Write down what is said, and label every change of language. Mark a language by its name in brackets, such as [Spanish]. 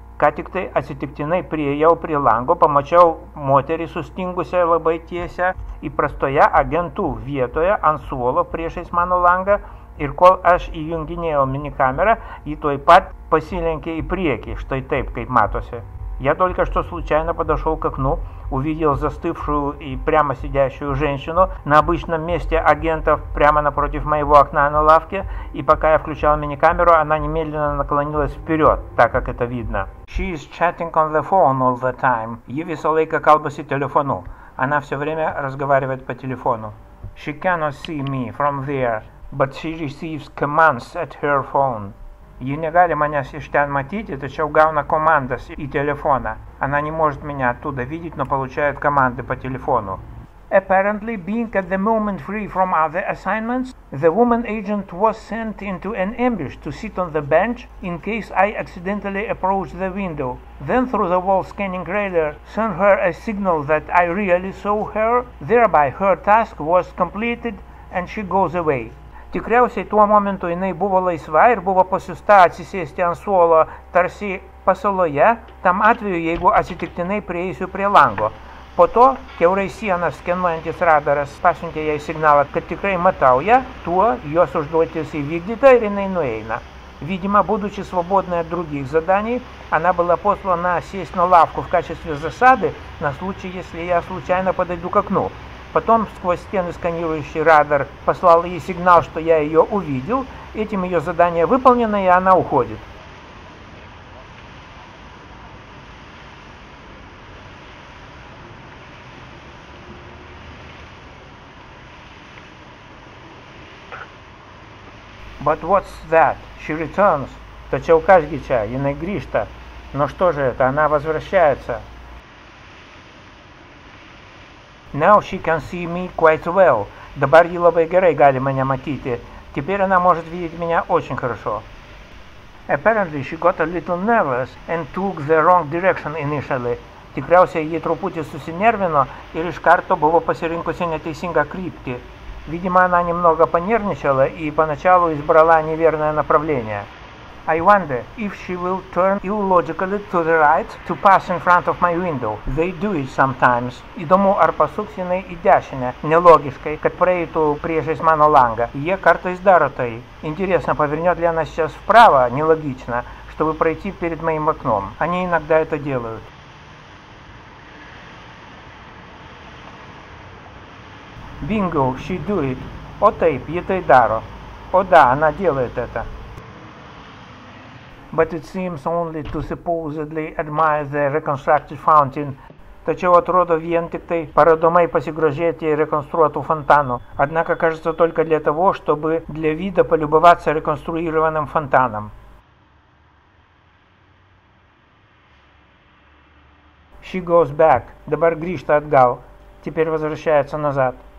[Lithuanian] Ką tik tai atsitiktinai priejau prie lango, pamačiau moterį sustingusią labai tiesią įprastoje agentų vietoje ant suolo priešais mano langą ir kol aš įjunginėjau mini kamerą, ji tuoj pat pasilenkė į priekį, štai taip, kaip matosi. [Russian] Я только что случайно подошел к окну, увидел застывшую и прямо сидящую женщину на обычном месте агентов прямо напротив моего окна на лавке, и пока я включал мини-камеру, она немедленно наклонилась вперед, так как это видно. [English] She is chatting on the phone all the time. Ей весь лейка колбаси телефону. [Russian] Она все время разговаривает по телефону. [English] She cannot see me from there, but she receives commands at her phone. [Lithuanian] Ji negali manęs iš ten matyti, tačiau gauna komandas į telefoną. [Russian] Она не может меня оттуда видеть, но получает команды по телефону. [English] Apparently, being at the moment free from other assignments, the woman agent was sent into an ambush to sit on the bench in case I accidentally approached the window. Then through the wall scanning radar sent her a signal that I really saw her. Thereby, her task was completed and she goes away. [Lithuanian] Tikriausiai tuo momentu jinai buvo laisva ir buvo pasiusta atsisėsti ant suolo tarsi pasaloje, tam atveju jeigu atsitiktinai prieisiu prie lango. Po to keurai sieną skenuojantis radaras pasiuntė jai signalą, kad tikrai matau ją, tuo jos užduotis įvykdyta ir jinai nueina. [Russian] Видимо, будучи свободной от других заданий, она была послана сесть на лавку в качестве засады на случай, если я случайно подойду к окну. Потом сквозь стены сканирующий радар послал ей сигнал, что я ее увидел. Этим ее задание выполнено, и она уходит. [English] But what's that? She returns. Тачау кашгича, иной гришта. [Russian] Но что же это? Она возвращается. [English] Now she can see me quite well. [Lithuanian] Dabar ji labai gerai gali mane matyti. [Russian] Теперь она может видеть меня очень хорошо. [English] Apparently she got a little nervous and took the wrong direction initially. [Lithuanian] Tikriausiai ji truputį susinervino ir iš karto buvo pasirinkusi neteisingą kryptį. [Russian] Видимо, она немного понервничала и поначалу избрала неверное направление. [English] I wonder if she will turn illogically to the right to pass in front of my window. They do it sometimes. [Lithuanian] Įdomu, ar pasuks jinai į dešinę, nelogiškai, kad praeitų priešais mano langą. Jie kartais daro tai. [Russian] Интересно, повернет ли она сейчас вправо, нелогично, чтобы пройти перед моим окном. Они иногда это делают. [English] Bingo, she do it. [Lithuanian] О, taip, jie tai daro. [Russian] О, да, она делает это. [English] But it seems only to supposedly admire the reconstructed fountain. [Lithuanian] Tačiau atrodo vien tik tai parodomai pasigrožėti rekonstruotų фонтану. [Russian] Однако кажется только для того, чтобы для вида полюбоваться реконструированным фонтаном. [English] She goes back. [Lithuanian] Dabar grįžta atgal. [Russian] Теперь возвращается назад.